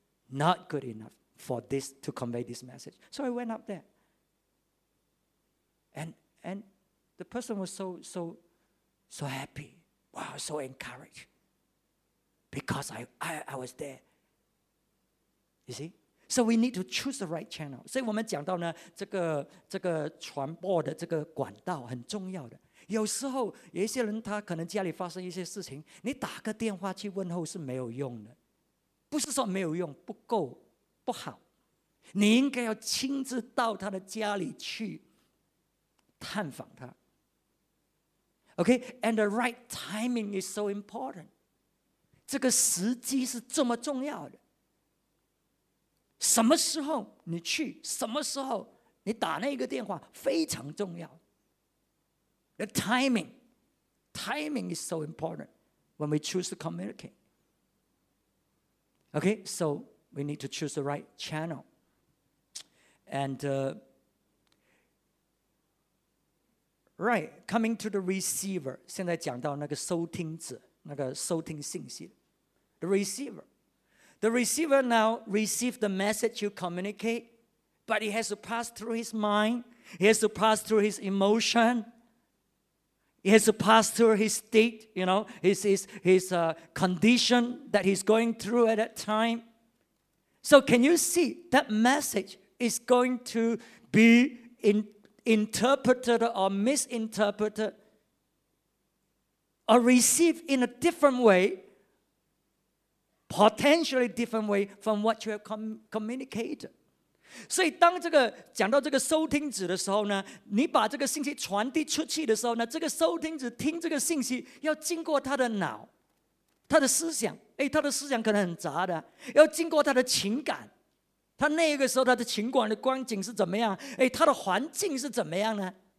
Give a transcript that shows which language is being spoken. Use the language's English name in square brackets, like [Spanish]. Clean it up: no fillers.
[English] Not good enough for this to convey this message. So I went up there. And the person was so happy. Wow, so encouraged. Because I was there. You see? So we need to choose the right channel. [Chinese] 所以我们讲到呢，这个传播的这个管道很重要的。有时候有一些人他可能家里发生一些事情，你打个电话去问候是没有用的，不是说没有用，不够，不好。你应该要亲自到他的家里去探访他。 [English] Okay, and the right timing is so important. [Chinese] 这个时机是这么重要的。什么时候你去，什么时候你打那个电话非常重要。 [English] The timing is so important when we choose to communicate. Okay, so we need to choose the right channel. And right, coming to the receiver, [Chinese] 现在讲到那个收听者，那个收听信息。 [English] The receiver now receives the message you communicate, but it has to pass through his mind. It has to pass through his emotion. It has to pass through his state, you know, his condition that he's going through at that time. So can you see that message is going to be interpreted or misinterpreted or received in a different way, potentially different way from what you have communicated. [Chinese] 所以当这个讲到这个收听者的时候呢，你把这个信息传递出去的时候呢，这个收听者听这个信息要经过他的脑，他的思想，他的思想可能很杂的，要经过他的情感，他那个时候他的情感的光景是怎么样，他的环境是怎么样呢？